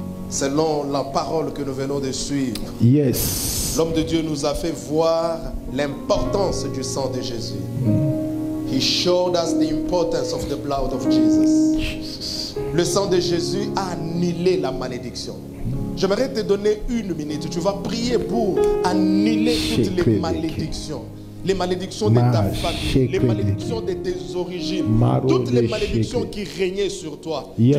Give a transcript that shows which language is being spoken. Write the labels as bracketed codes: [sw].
[fr] Selon la parole que nous venons de suivre. [en] Yes. [fr] L'homme de Dieu nous a fait voir l'importance du sang de Jésus. [en] He showed us the importance of the blood of Jesus. [fr] Le sang de Jésus a annulé la malédiction. J'aimerais te donner une minute. Tu vas prier pour annuler toutes les malédictions. Les malédictions de ta famille, les malédictions de tes origines, toutes les malédictions qui régnaient sur toi. [en] Yes.